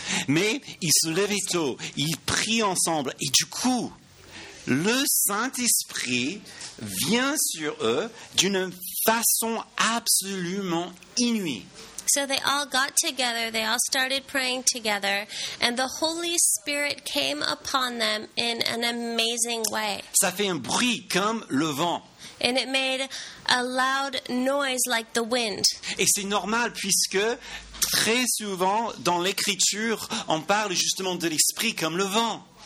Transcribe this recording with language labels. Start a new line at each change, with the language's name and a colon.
French: Mais ils se levaient tôt, ils prient ensemble, et du coup, le Saint-Esprit vient sur eux d'une façon absolument inouïe.
English: So they all got together, they all started praying together, and the Holy Spirit came upon them in an amazing way.
French: Ça fait un bruit comme le vent.
English: And it made a loud noise like the wind.
French: Et c'est normal puisque très souvent dans l'Écriture, on parle justement de l'Esprit comme le vent.